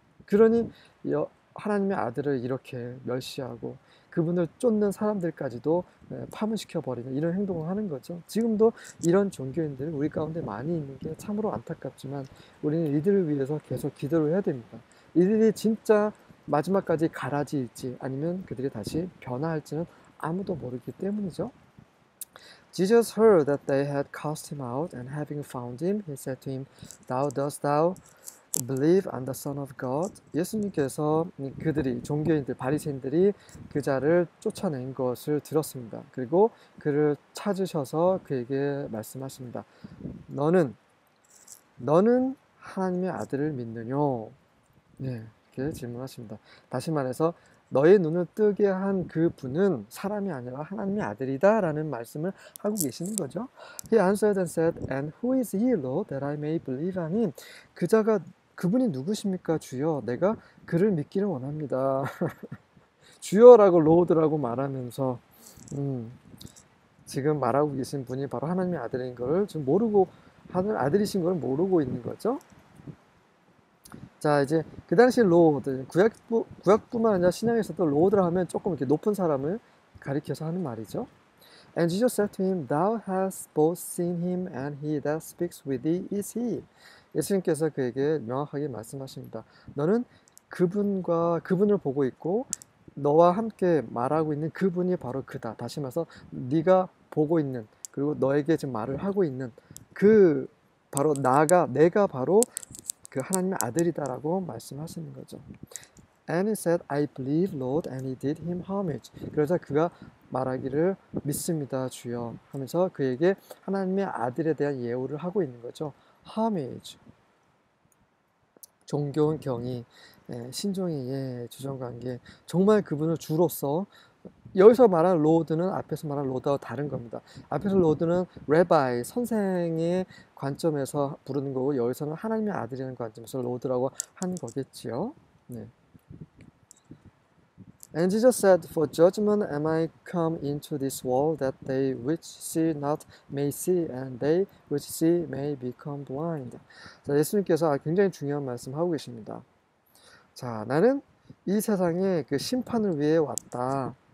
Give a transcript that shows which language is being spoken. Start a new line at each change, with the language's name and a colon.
Korean: 그러니 하나님의 아들을 이렇게 멸시하고 그분을 쫓는 사람들까지도 파문시켜 버리는 이런 행동을 하는 거죠. 지금도 이런 종교인들이 우리 가운데 많이 있는 게 참으로 안타깝지만 우리는 이들을 위해서 계속 기도를 해야 됩니다. 이들이 진짜 마지막까지 가라지일지 아니면 그들이 다시 변화할지는 아무도 모르기 때문이죠.
English: Jesus heard that they had cast him out, and having found him, he said to him, Thou dost thou believe on the Son of God?
Korean: 예수님께서 그들이, 종교인들, 바리새인들이 그자를 쫓아낸 것을 들었습니다. 그리고 그를 찾으셔서 그에게 말씀하십니다. 너는 하나님의 아들을 믿느뇨? 네, 이렇게 질문하십니다. 다시 말해서, 너의 눈을 뜨게 한 그분은 사람이 아니라 하나님의 아들이다 라는 말씀을 하고 계시는 거죠.
English: He answered and said, And who is he, Lord, that I may believe on him?
Korean: 그자가 그분이 누구십니까, 주여? 내가 그를 믿기를 원합니다. 주여라고, 로드라고 말하면서 지금 말하고 계신 분이 바로 하나님의 아들인 걸 지금 모르고, 하늘 아들이신 걸 모르고 있는 거죠. 자, 이제 그 당시 로드, 구약뿐만 아니라 신약에서도 로드라 하면 조금 이렇게 높은 사람을 가리켜서 하는 말이죠.
English: And Jesus said to him, Thou hast both seen him, and he that speaks with thee is he.
Korean: 예수님께서 그에게 명확하게 말씀하십니다. 너는 그분과 그분을 보고 있고 너와 함께 말하고 있는 그분이 바로 그다. 다시 말해서 네가 보고 있는, 그리고 너에게 지금 말을 하고 있는 그 바로 나가, 내가 바로 그 하나님의 아들이다라고 말씀하시는 거죠.
English: And he said, I believe, Lord, and he did him homage.
Korean: 그러자 그가 말하기를 믿습니다, 주여 하면서 그에게 하나님의 아들에 대한 예우를 하고 있는 거죠. Homage, 존경, 경의, 신종의 주종관계, 정말 그분을 주로서 여기서 말하는 로드는 앞에서 말하는 로드와 다른 겁니다. 앞에서 로드는 레바이, 선생의 관점에서 부르는 거고, 여기서는 하나님의 아들이라는 관점에서 로드라고 한 거겠지요. 네.
English: And Jesus said, For judgment am I come into this world, that they which see not may see, and they which see may become blind.
Korean: 자, 예수님께서 굉장히 중요한 말씀하고 계십니다. 자, 나는 이 세상에 그 심판을 위해 왔다.